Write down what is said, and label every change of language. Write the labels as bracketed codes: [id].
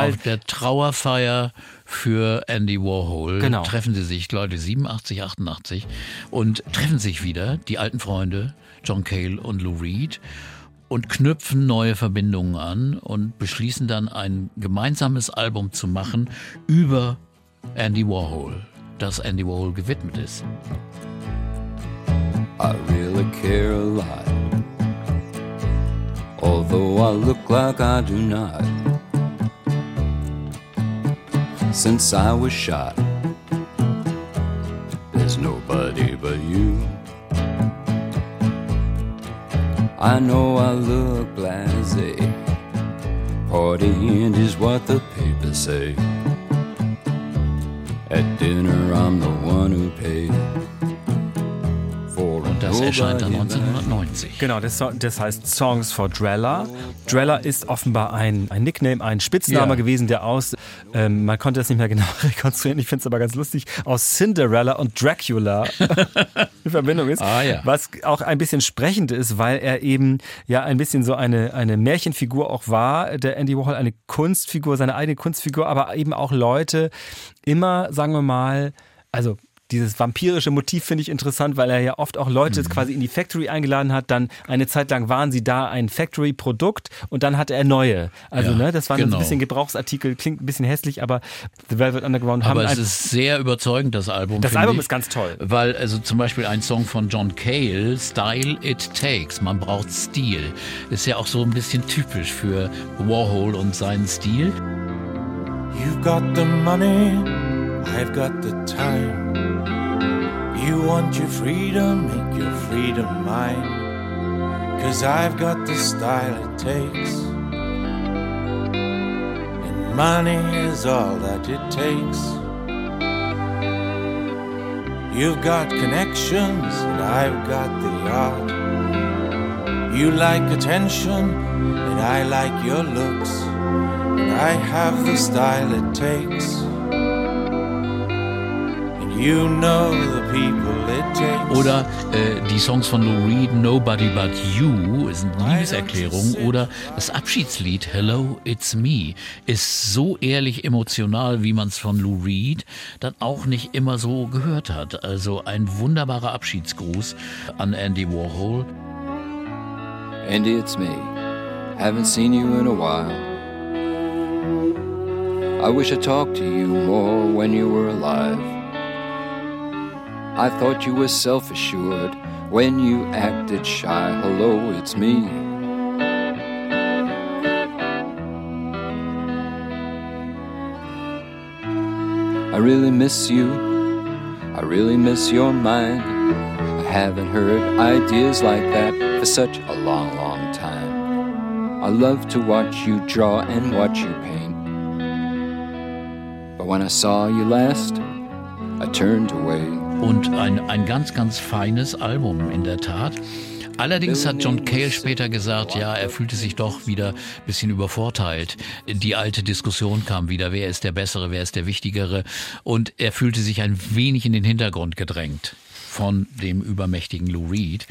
[de] Weil auf der Trauerfeier für Andy Warhol treffen sie sich, Leute, 87, 88, und treffen sich wieder die alten Freunde John Cale und Lou Reed und knüpfen neue Verbindungen an und beschließen dann, ein gemeinsames Album zu machen über Andy Warhol. Das Andy Warhol gewidmet ist. [en] I really care a lot, although I look like I do not. Since I was shot, there's nobody but you. I know I look blasé, party end is what the papers say. At dinner I'm the one who paid. [de] Und das erscheint dann 1990. Genau, das heißt Songs for Drella. Drella ist offenbar ein Nickname, ein Spitzname gewesen, der aus, man konnte das nicht mehr genau rekonstruieren, ich finde es aber ganz lustig, aus Cinderella und Dracula in Verbindung ist. Ah, ja. Was auch ein bisschen sprechend ist, weil er eben ja ein bisschen so eine Märchenfigur auch war, der Andy Warhol, eine Kunstfigur, seine eigene Kunstfigur, aber eben auch Leute immer, sagen wir mal, also dieses vampirische Motiv finde ich interessant, weil er ja oft auch Leute quasi in die Factory eingeladen hat. Dann eine Zeit lang waren sie da ein Factory-Produkt und dann hatte er neue. Also ja, ne, das waren genau. Ein bisschen Gebrauchsartikel, klingt ein bisschen hässlich, aber The Velvet Underground haben... Aber es ist sehr überzeugend, das Album. Das Album ich, ist ganz toll. Weil also zum Beispiel ein Song von John Cale, Style It Takes, man braucht Stil, ist ja auch so ein bisschen typisch für Warhol und seinen Stil. [en] You've got the money, I've got the time. You want your freedom, make your freedom mine. 'Cause I've got the style it takes, and money is all that it takes. You've got connections and I've got the art. You like attention and I like your looks. And I have the style it takes, You know the people it takes. [de] Oder die Songs von Lou Reed, Nobody But You, ist eine Liebeserklärung. Oder das Abschiedslied Hello, It's Me ist so ehrlich emotional, wie man es von Lou Reed dann auch nicht immer so gehört hat. Also ein wunderbarer Abschiedsgruß an Andy Warhol. [en] Andy, it's me. Haven't seen you in a while. I wish I talked to you more when you were alive. I thought you were self-assured when you acted shy. Hello, it's me. I really miss you. I really miss your mind. I haven't heard ideas like that for such a long, long time. I love to watch you draw and watch you paint. But when I saw you last, I turned away. [de] Und ein ganz, ganz feines Album in der Tat. Allerdings hat John Cale später gesagt, ja, er fühlte sich doch wieder ein bisschen übervorteilt. Die alte Diskussion kam wieder, wer ist der Bessere, wer ist der Wichtigere? Und er fühlte sich ein wenig in den Hintergrund gedrängt von dem übermächtigen Lou Reed.